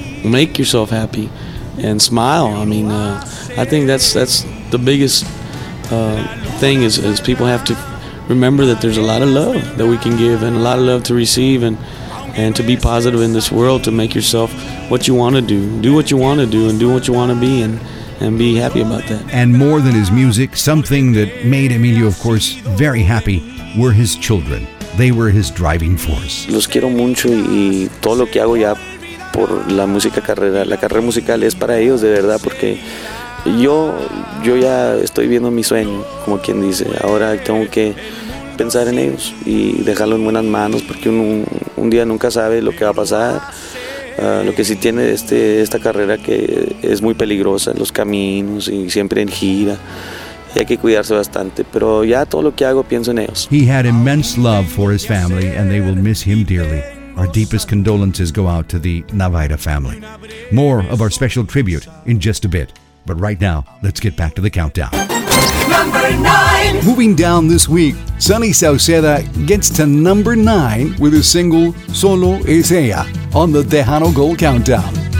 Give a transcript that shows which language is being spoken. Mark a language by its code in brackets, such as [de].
[en] make yourself happy and smile. I mean, I think that's the biggest thing is people have to remember that there's a lot of love that we can give and a lot of love to receive, and to be positive in this world, to make yourself what you want to do. Do what you want to do and do what you want to be, and be happy about that. And more than his music, something that made Emilio, of course, very happy were his children. They were his driving force. [es] Los quiero mucho y todo lo que hago ya por la música carrera, la carrera musical es para ellos de verdad, porque yo ya estoy viendo mi sueño, como quien dice. Ahora tengo que pensar en ellos y dejarlo en buenas manos, porque un día nunca sabe lo que va a pasar. Lo que sí tiene esta carrera, que es muy peligrosa, los caminos y siempre en gira. Hay que cuidarse bastante, pero ya todo lo que hago pienso en ellos. [en] He had immense love for his family, and they will miss him dearly. Our deepest condolences go out to the Navaira family. More of our special tribute in just a bit, but right now, let's get back to the countdown. Number 9. Moving down this week, Sunny Sauceda gets to number 9 with his single Solo Es Ella on the Tejano Gold Countdown.